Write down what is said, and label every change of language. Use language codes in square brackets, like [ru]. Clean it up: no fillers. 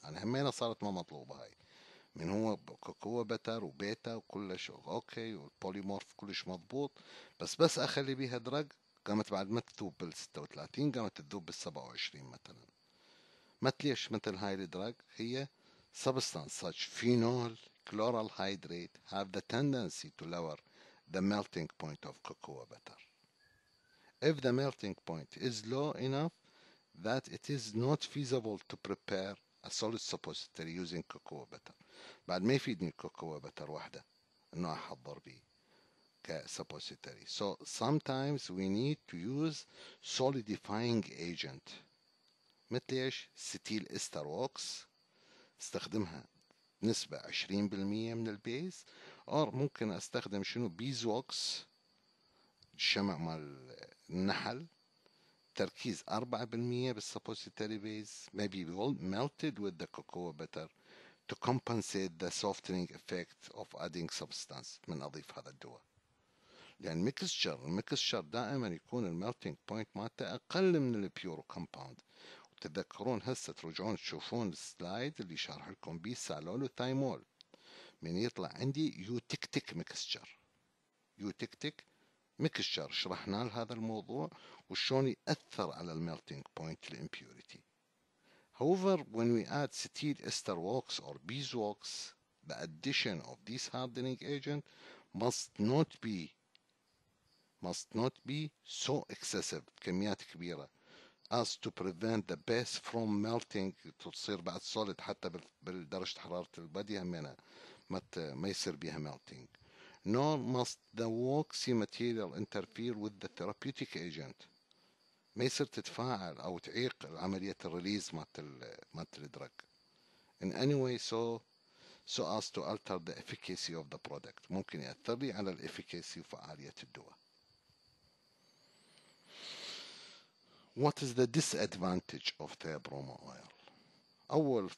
[ar] أنا همينة صارت ما مطلوبة هاي، من هو كوكو بتر وبيتا وكل شيء أوكي والبوليمورف كلش مضبوط، بس أخلي بيها درج قامت بعد ما تذوب بال 36 قامت تذوب بال 27 مثلا. مثل ليش مثل هاي الدرج؟ هي [en] Substances such as phenol, chloral hydrate have the tendency to lower the melting point of cocoa butter. If the melting point is low enough that it is not feasible to prepare a solid suppository using cocoa butter. [ar] بعد ما يفيدني الكوكو بتر واحدة انه احضر بيه كسبوسيتري. [en] So sometimes we need to use solidifying agent. [ar] مثل ايش؟ ستيل استر ووكس استخدمها نسبة 20% من البيز. [en] اور [ar] ممكن استخدم شنو؟ [en] beeswax [ar] شمع مال النحل تركيز [en] 4% بالسبوسيتري base maybe melted with the cocoa butter to compensate the softening effect of adding substance [ar] من أضيف هذا الدواء. لأن ميكسشر الميكسشر دائما يكون الميلتينج بوينت مالته أقل من البيورو كومباوند. وتتذكرون هسة ترجعون تشوفون السلايد اللي شارح لكم بيه سالول وثايمول من يطلع عندي يوتكتك ميكسشر. يوتكتك ميكسشر شرحنا لهذا الموضوع وشون يأثر على الميلتينج بوينت الامبيوريتي. [en] However, when we add steel ester wax or beeswax, the addition of this hardening agent must not be so excessive, [ar] كميات كبيرة, [en] as to prevent the base from melting, [ar] تصير بعد solid حتى بالدرجة حرارة البادية منها ما يصير بها [en] melting. Nor must the waxy material interfere with the therapeutic agent. [ar] ما يصير تتفاعل أو تعيق عملية الريليز مالت الدرج [en] in any way so as to alter the efficacy of the product. [ar] ممكن يأثر لي على الإفكاسي وفعالية الدواء. [en] What is the disadvantage of the bromo oil?